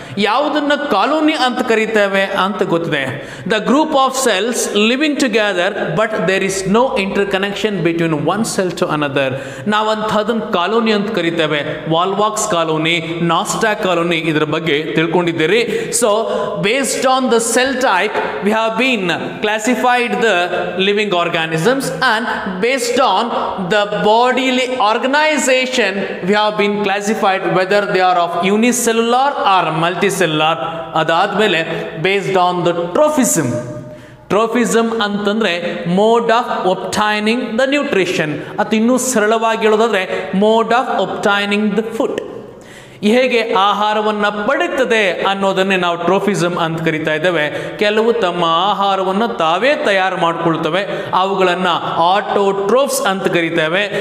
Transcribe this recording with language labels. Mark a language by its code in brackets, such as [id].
[kn] ಯಾವುದನ್ನು ಕಾಲೋನಿ ಅಂತ ಕರಿತೇವೆ ಅಂತ ಗೊತ್ತಿದೆ. [en] The group of cells living together but there is no interconnection between one cell to another. [kn] ನಾವಂಥದನ್ನು colony ಅಂತ ಕರಿತೇವೆ. ವಾಲ್ವಾಕ್ಸ್ ಕಾಲೋನಿ, ನಾಸ್ಟಾ ಕಾಲೋನಿ, ಇದರ ಬಗ್ಗೆ ತಿಳ್ಕೊಂಡಿದ್ದೀರಿ. [en] So based on the cell type we have been classified the living organisms, and based on the bodily organization we have been classified whether they are of unicellular or multicellular. [kn] Adadmele [en] based on the trophism. Trophism [kn] ಅಂತಂದರೆ [en] Mode of obtaining the nutrition. [kn] ಅದು ಇನ್ನೂ ಸರಳವಾಗಿ ಹೇಳೋದಾದರೆ [en] mode of obtaining the food, [kn] ಹೇಗೆ ಆಹಾರವನ್ನು ಪಡೀತದೆ ಅನ್ನೋದನ್ನೇ ನಾವು ಟ್ರೋಫಿಸಮ್ ಅಂತ ಕರಿತಾ ಇದ್ದೇವೆ. ಕೆಲವು ತಮ್ಮ ಆಹಾರವನ್ನು ತಾವೇ ತಯಾರು ಮಾಡಿಕೊಳ್ತವೆ, ಅವುಗಳನ್ನು ಆಟೋಟ್ರೋಫ್ಸ್ ಅಂತ ಕರಿತೇವೆ.